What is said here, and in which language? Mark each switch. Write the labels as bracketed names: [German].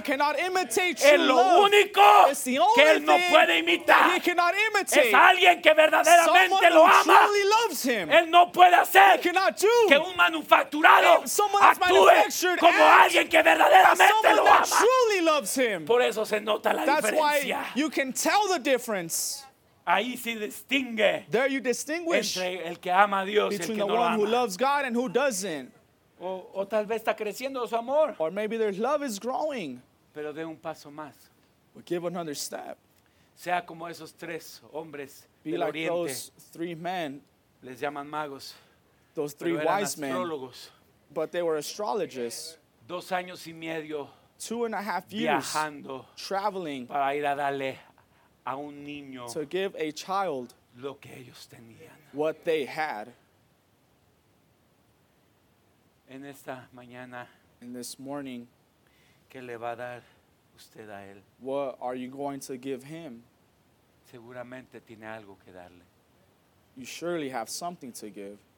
[English] Devil cannot imitate true [Spanish] es lo [English] love. [Spanish] Único [English] it's the only [Spanish] que él no [English] thing [Spanish] puede imitar. [English] He cannot imitate. [Spanish] Es alguien que verdaderamente [English] someone [Spanish] lo ama. [English] Truly loves him. [Spanish] Él no puede hacer [English] he cannot do. [Spanish] Que un manufacturado [English] someone that's [Spanish] actúe [English] manufactured [Spanish] como alguien que verdaderamente lo ama. [English] Truly loves him. [Spanish] Por eso se nota la [English] that's [Spanish] diferencia. [English] Why you can tell the difference. [Spanish] Ahí se distingue. [English] There you distinguish [Spanish] entre el que ama a Dios [English] between [Spanish] el que [English] the [Spanish] no [English] one [Spanish] ama. [English] Who loves God and who doesn't. [Spanish] O tal vez está creciendo su amor. [English] Or maybe their love is growing. [Spanish] Pero de un paso más. [English] But give another step. [Spanish] Sea como esos tres hombres [English] be [Spanish] del [English] like [Spanish] Oriente. [English] Those three men. [Spanish] Les llaman magos. [English] Those three wise men. [Spanish] Astrólogos. [English] But they were astrologers. [Spanish] 2 años y medio. [English] 2.5 years [Spanish] viajando [English] traveling [Spanish] para ir a darle a un niño [English] to give a child [Spanish] lo que ellos tenían. [English] What they had. [Spanish] En esta mañana, [English] in this morning, [Spanish] ¿qué le va a dar usted a él? [English] What are you going to give him? [Spanish] Seguramente tiene algo que darle. [English] You surely have something to give.